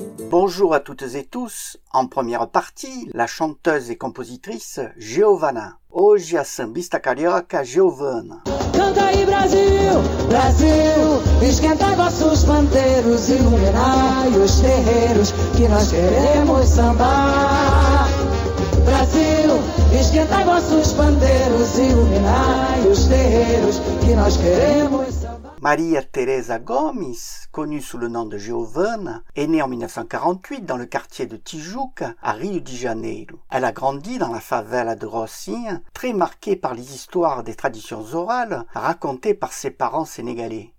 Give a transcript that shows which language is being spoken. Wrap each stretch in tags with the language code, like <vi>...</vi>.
<fr>Bonjour à toutes et tous. En première partie, la chanteuse et compositrice Giovanna.</fr> <pt>Hoje a sambista carioca Giovanna. Canta aí Brasil, Brasil, esquenta vossos panteiros, iluminai os terreiros que nós queremos sambar. Brasil, esquenta vossos panteiros, iluminai os terreiros que nós queremos sambar.</pt> <fr>Maria Teresa Gomes, connue sous le nom de Giovanna, est née en 1948 dans le quartier de Tijuca, à Rio de Janeiro. Elle a grandi dans la favela de Rocinha, très marquée par les histoires des traditions orales racontées par ses parents sénégalais.</fr>